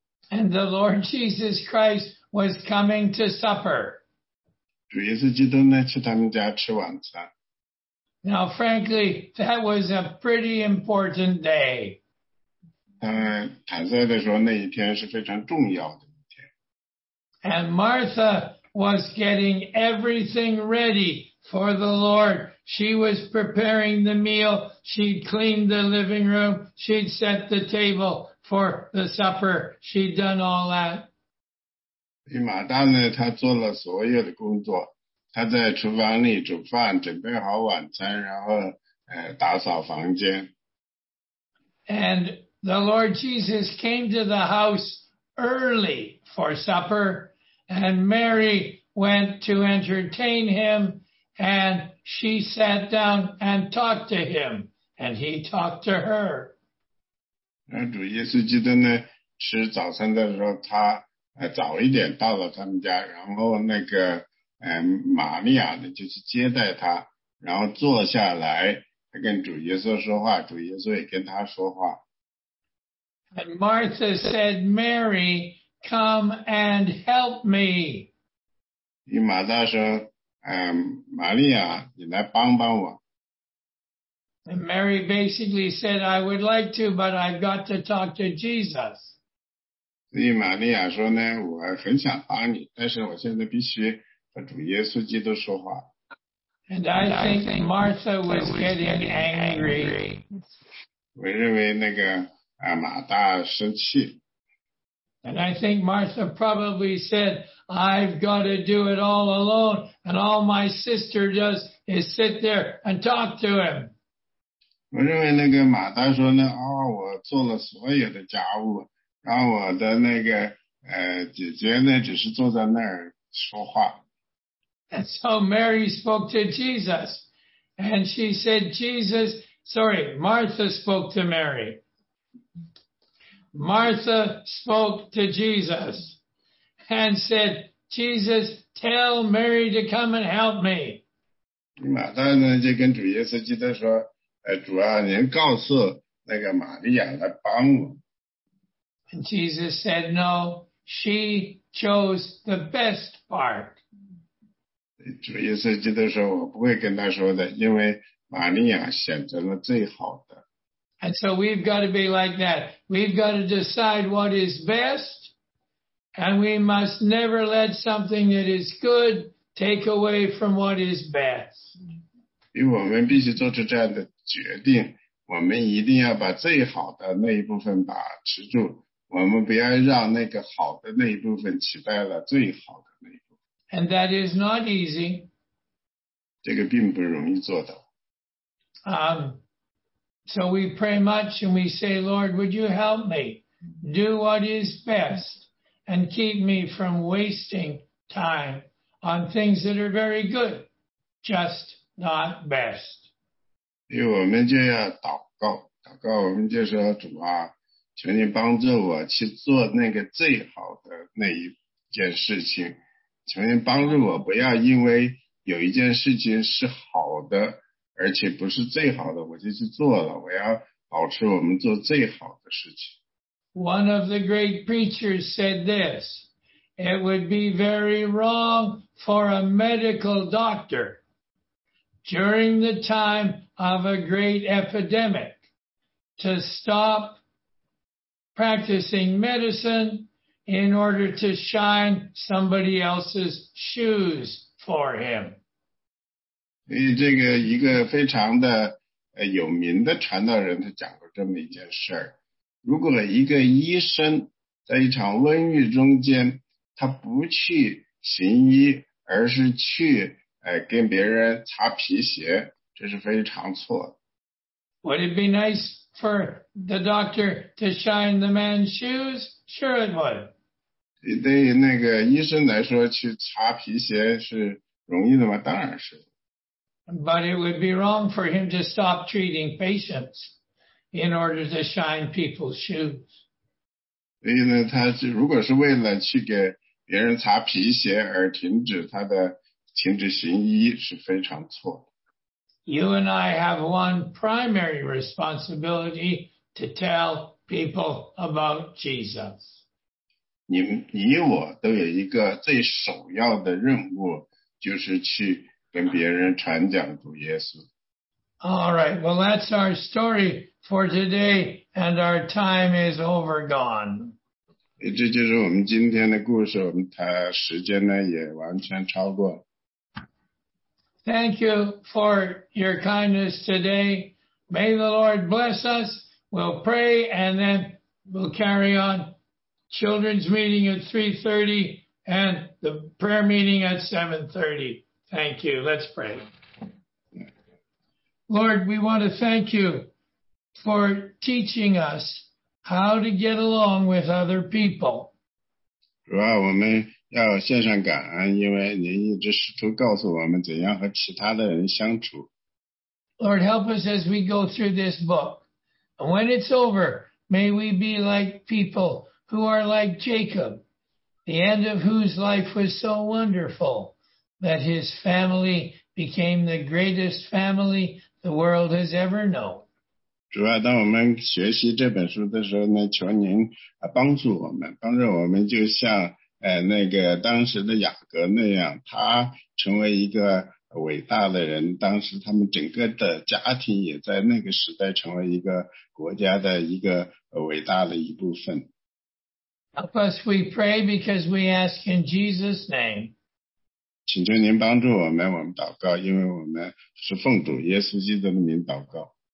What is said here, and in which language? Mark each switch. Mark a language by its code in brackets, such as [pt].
[en] And the Lord Jesus Christ was coming to supper. [zh] 主耶稣基督呢，去他们家吃晚餐。 [en] Now, frankly, that was a pretty important day. [zh] 坦率地说，那一天是非常重要的一天。 [en] And Martha was getting everything ready for the Lord. She was preparing the meal. She'd cleaned the living room. She'd set the table for the supper. She'd done all that. [zh] 马大呢，他做了所有的工作。他在厨房里煮饭，准备好晚餐，然后打扫房间。 [en] And the Lord Jesus came to the house early for supper, and Mary went to entertain him, and she sat down and talked to him, and he talked to her. [zh] 而主耶稣基督呢，吃早餐的时候，他早一点到了他们家，然后那个。玛利亚呢就去接待他，然后坐下来，他跟主耶稣说话，主耶稣也跟他说话。 [en] And Martha said, Mary, come and help me. [zh] 与马大说，玛利亚，你来帮帮我。 [en] And Mary basically said, I would like to, but I've got to talk to Jesus. [zh] 与玛利亚说呢，我很想帮你，但是我现在必须和主耶稣基督说话。 [en] And I think Martha was getting angry. [zh] 我认为那个马大生气。 [en] And I think Martha probably said, I've got to do it all alone, and all my sister does is sit there and talk to him. [zh] 我认为那个马大说呢，哦，我做了所有的家务，然后我的那个姐姐呢，只是坐在那儿说话。 [en] And so Mary spoke to Jesus, and she said, Martha spoke to Mary. Martha spoke to Jesus and said, Jesus, tell Mary to come and help me. [zh] 马大呢就跟主耶稣基督说，主啊，您告诉那个玛利亚来帮我。 [en] And Jesus said, no, she chose the best part. [zh] 主耶稣基督说，我不会跟他说的，因为玛利亚选择了最好的。 [en] And so we've got to be like that. We've got to decide what is best, and we must never let something that is good take away from what is best. [zh] 因为我们必须做出这样的决定，我们一定要把最好的那一部分把持住，我们不要让那个好的那一部分取代了最好的。 [en] And that is not easy. [zh] 这个并不容易做到。 [en] So we pray much and we say, Lord, would you help me do what is best and keep me from wasting time on things that are very good, just not best. [zh] 因为我们就要祷告，祷告我们就说，主啊，求你帮助我去做那个最好的那一件事情。求您帮助我，不要因为有一件事情是好的，而且不是最好的，我就去做了。我要保持我们做最好的事情。 [en] One of the great preachers said this, it would be very wrong for a medical doctor during the time of a great epidemic to stop practicing medicine in order to shine somebody else's shoes for him. [zh] 这个一个非常的有名的传道人他讲过这么一件事儿，如果一个医生在一场瘟疫中间他不去行医而是去跟别人擦皮鞋，这是非常错的。 [en] Would it be nice for the doctor to shine the man's shoes? Sure it would. [zh] 对于那个医生来说去擦皮鞋是容易的吗？当然是。 [en] But it would be wrong for him to stop treating patients in order to shine people's shoes. [zh] 所以呢，他如果是为了去给别人擦皮鞋而停止行医是非常错的。 [en] You and I have one primary responsibility to tell people about Jesus. [zh] 你我都有一个最首要的任务，就是去跟别人传讲主耶稣。 [en] All right, well, that's our story for today, and our time is over gone. [zh] 这就是我们今天的故事，我们谈时间呢也完全超过。 [en] Thank you for your kindness today. May the Lord bless us. We'll pray and then we'll carry on. Children's meeting at 3:30 and the prayer meeting at 7:30. Thank you. Let's pray. Lord, we want to thank you for teaching us how to get along with other people. [zh] 主啊，我们要献上感恩，因为您一直试图告诉我们怎样和其他的人相处。 [en] Lord, help us as we go through this book. And when it's over, may we be like people who are like Jacob, the end of whose life was so wonderful that his family became the greatest family the world has ever known. [zh] 主啊，当我们学习这本书的时候呢，求您帮助我们，帮助我们就像那个当时的雅各那样，他成为一个伟大的人，当时他们整个的家庭也在那个时代成为一个国家的一个伟大的一部分。 [en] Help us, we pray, because we ask in Jesus' name. [zh] 请求您帮助我们，我们祷告，因为我们是奉主耶稣基督的名祷告。